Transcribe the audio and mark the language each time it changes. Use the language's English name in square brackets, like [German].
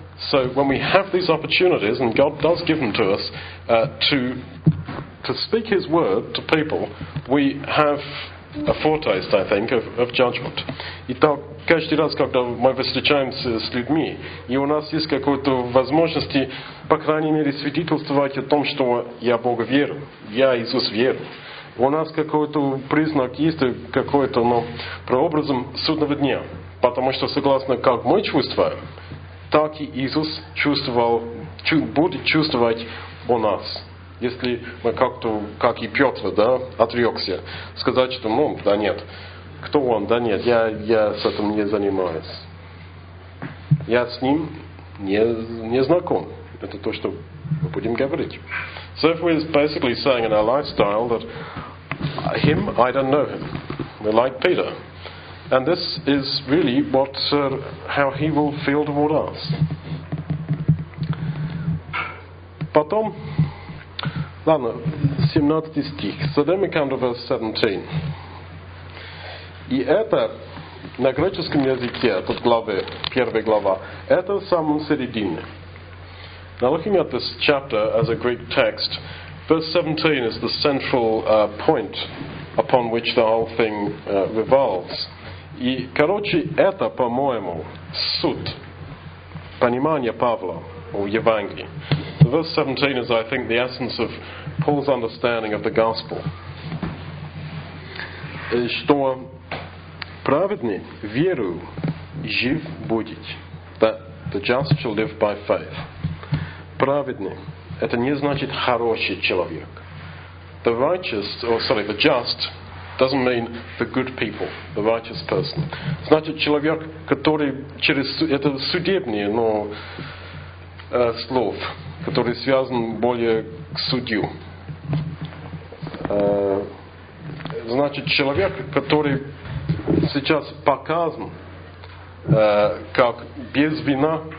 [English] So when we have these opportunities, and God does give them to us, to speak his word to people, we have a foretaste, I think, of judgment. [Russian] Итак, каждый раз, когда мы встречаемся с людьми, и у нас есть какая-то возможность, по крайней мере, свидетельствовать о том, что я Богу верю, я Иисус верю. У нас какой-то признак есть, какой-то, но прообразом судного дня. Потому что, согласно как мы чувствуем, так и Иисус чувствовал, будет чувствовать о нас. Если мы как-то, как и Петр, да, отрекся, сказать, что, ну, да нет. Кто он? Да нет, я с этим не занимаюсь. Я с ним не знаком. Это то, что мы будем говорить. [English] So if we're basically saying in our lifestyle that him, I don't know him. We're like Peter. And this is really what how he will feel toward us. [Russian] Потом, ладно, 17 стих. [English] So then we come to verse 17. [Russian] И это на греческом языке, тут главы, первая глава, это самом середине. [English] Now looking at this chapter as a Greek text, verse 17 is the central point upon which the whole thing revolves. [Russian] И, короче, это, по-моему, суть понимания Павла о Евангелии. [English] So verse 17 is, I think, the essence of Paul's understanding of the gospel. [Russian] И что праведный верою жив будет. [English] That the just shall live by faith. [Russian] Праведный. Это не значит хороший человек. [English] The righteous, or sorry, the just doesn't mean the good people, the righteous person. [Russian] Значит человек, который через это судебное, но слов, который связан более к судью. Значит человек, который сейчас показан как без вина.